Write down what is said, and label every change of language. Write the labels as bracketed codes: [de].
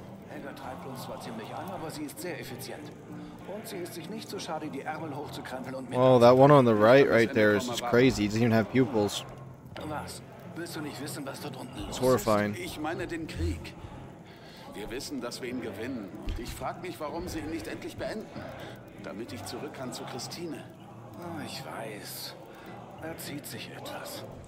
[de] Helga treibt uns zwar ziemlich an, aber sie ist sehr effizient. Und sie ist sich nicht so schade, die Ärmel hochzukrempeln und... [en] Oh, that one on the right there is just crazy. He doesn't even have pupils. [de] Was? Willst du nicht wissen, was dort unten los ist? [en] It's horrifying. [de] Ich meine den Krieg. Wir wissen, dass wir ihn gewinnen. Und ich frag mich, warum sie ihn nicht endlich beenden. Damit ich zurück kann zu Christine. Oh, ich weiß. Er zieht sich etwas.